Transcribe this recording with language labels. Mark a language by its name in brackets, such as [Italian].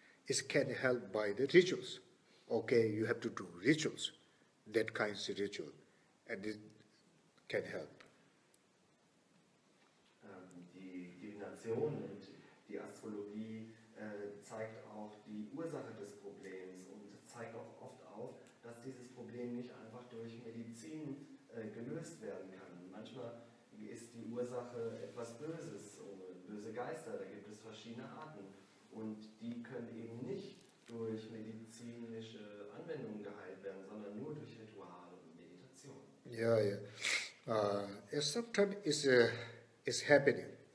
[English] It can help by the rituals. Okay, you have to do rituals, that kind of ritual, and it can help. [German] Die Divination und die Astrologie zeigt auch die Ursache des Problems und zeigt auch oft auf, dass dieses Problem nicht einfach durch Medizin gelöst werden kann. Manchmal ist die Ursache etwas Böses, böse Geister, da gibt es verschiedene Arten. Und die können eben nicht durch medizinische Anwendungen geheilt werden, sondern nur durch Rituale und Meditation. Ja, ja. [English] Sometimes it's happening.